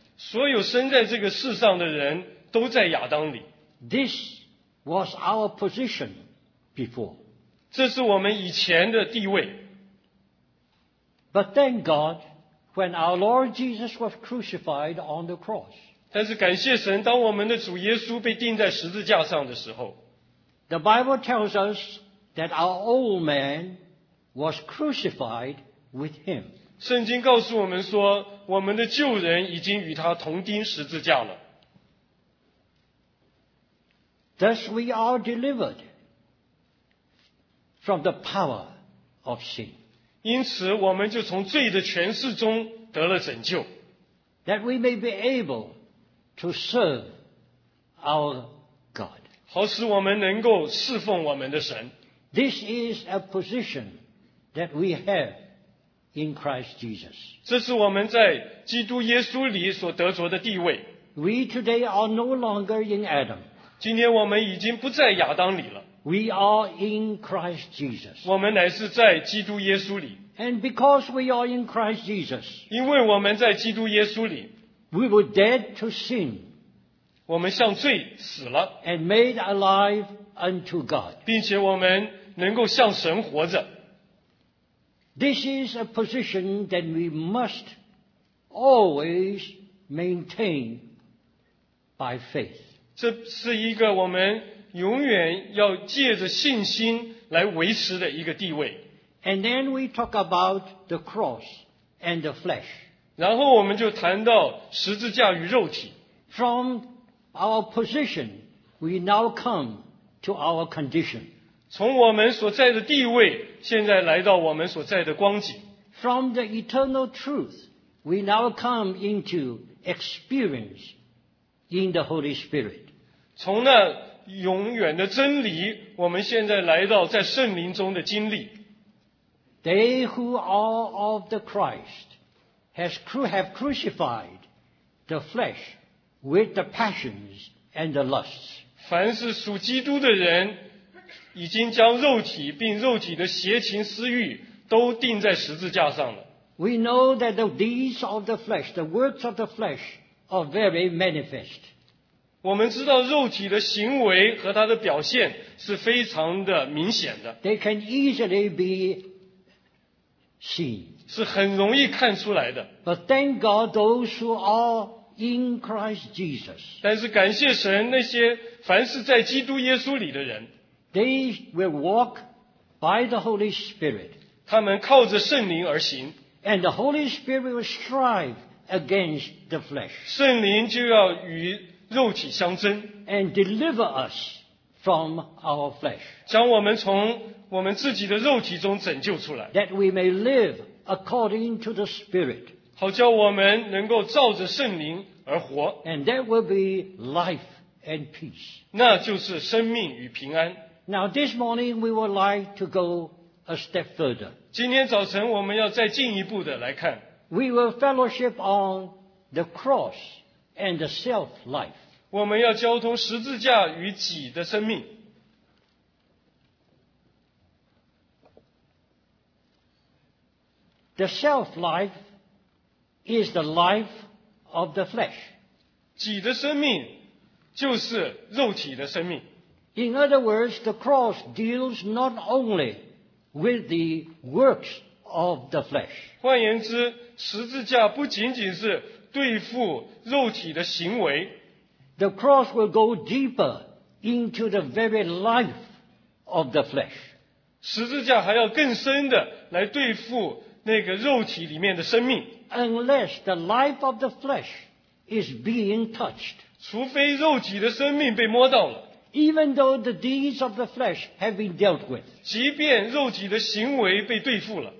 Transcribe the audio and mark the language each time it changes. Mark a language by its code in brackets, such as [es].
[zh] 所有生在这个世上的人都在亚当里。 [en] This was our position before. [zh] 这是我们以前的地位。 [en] But thank God, when our Lord Jesus was crucified on the cross, [zh] 但是感谢神，当我们的主耶稣被钉在十字架上的时候 [en] ，The Bible tells us that our old man was crucified with him. [zh] 圣经告诉我们说，我们的旧人已经与他同钉十字架了。 [en] Thus we are delivered from the power of sin. [zh] 因此我们就从罪的权势中得了拯救。 [en] That we may be able to serve our God. [zh] 好使我们能够侍奉我们的神。 [en] This is a position that we have in Christ Jesus. [zh] 这是我们在基督耶稣里所得着的地位。 [en] We today are no longer in Adam. [zh] 今天我们已经不在亚当里了。 [en] We are in Christ Jesus. [zh] 我们乃是在基督耶稣里。 [en] And because we are in Christ Jesus, [zh] 因为我们在基督耶稣里, [en] we were dead to sin, [zh] 我们向罪死了, [en] and made alive unto God, [zh] 并且我们能够向神活着。 [en] This is a position that we must always maintain by faith. [zh] 这是一个我们永远要借着信心来维持的一个地位。 [en] And then we talk about the cross and the flesh. [zh] 然后我们就谈到十字架与肉体。 [en] From our position, we now come to our condition. [zh] 从我们所在的地位，现在来到我们所在的光景。 [en] From the eternal truth, we now come into experience in the Holy Spirit. [zh] 从那永远的真理，我们现在来到在圣灵中的经历。 [en] They who are of the Christ have crucified the flesh with the passions and the lusts. [zh] 凡是属基督的人，已经将肉体并肉体的邪情私欲都钉在十字架上了。 [en] We know that the deeds of the flesh, the works of the flesh, are very manifest. [zh] 我们知道肉体的行为和它的表现是非常的明显的。 [en] They can easily be seen. [zh] 是很容易看出来的。 [en] But thank God those who are in Christ Jesus. [zh] 但是感谢神那些凡是在基督耶稣里的人。 [en] They will walk by the Holy Spirit. [zh] 他们靠着圣灵而行。 [en] And the Holy Spirit will strive against the flesh. [zh] 圣灵就要与肉体相争。 [en] And deliver us from our flesh. [zh] 将我们从我们自己的肉体中拯救出来。 [en] That we may live according to the Spirit. [zh] 好叫我们能够照着圣灵而活。 [en] And that will be life and peace. [zh] 那就是生命与平安。 [en] Now this morning we would like to go a step further. [zh] 今天早晨我们要再进一步的来看。 [en] We will fellowship on the cross and the self-life. [zh] 我们要交通十字架与己的生命。 [en] The self-life is the life of the flesh. [zh] 己的生命就是肉体的生命。 [en] In other words, the cross deals not only with the works of the flesh. [zh] 换言之，十字架不仅仅是对付肉体的行为。 [en] The cross will go deeper into the very life of the flesh. [zh] 十字架还要更深的来对付那个肉体里面的生命。 [en] Unless the life of the flesh is being touched. [zh] 除非肉体的生命被摸到了。 [en] Even though the deeds of the flesh have been dealt with. [zh] 即便肉体的行为被对付了。